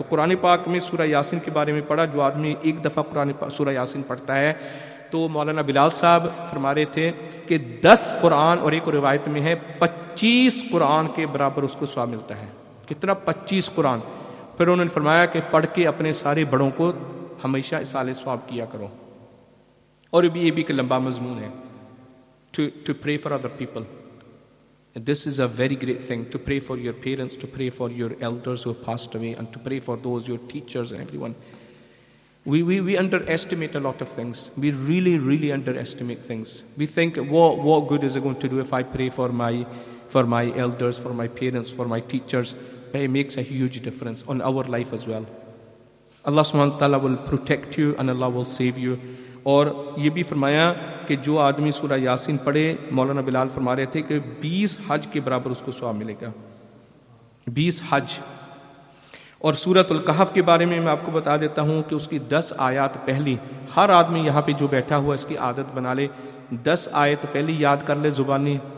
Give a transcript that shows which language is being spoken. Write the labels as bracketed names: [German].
[Urdu] تو قرآن پاک میں سورہ یاسین کے بارے میں پڑھا, جو آدمی ایک دفعہ قرآن پاک سورہ یاسین پڑھتا ہے تو مولانا بلال صاحب فرما رہے تھے کہ 10 قرآن اور ایک روایت میں ہے 25 قرآن کے برابر اس کو ثواب ملتا ہے. کتنا؟ 25 قرآن. پھر انہوں نے فرمایا کہ پڑھ کے اپنے سارے بڑوں کو ہمیشہ اس حوالے ثواب کیا کرو. اور یہ بھی ایک لمبا مضمون ہے, [English] To pray for other people. This is a very great thing, to pray for your parents, to pray for your elders who have passed away, and to pray for those, your teachers and everyone. We underestimate a lot of things. We really, really underestimate things. We think, what good is it going to do if I pray for my elders, for my parents, for my teachers? But it makes a huge difference on our life as well. Allah subhanahu wa ta'ala will protect you and Allah will save you. [Urdu] اور یہ بھی فرمایا کہ جو آدمی سورہ یاسین پڑھے, مولانا بلال فرما رہے تھے کہ 20 حج کے برابر اس کو ثواب ملے گا, 20 حج. اور سورۃ الکہف کے بارے میں آپ کو بتا دیتا ہوں کہ اس کی 10 آیات پہلی, ہر آدمی یہاں پہ جو بیٹھا ہوا اس کی عادت بنا لے, 10 آیت پہلی یاد کر لے زبانی.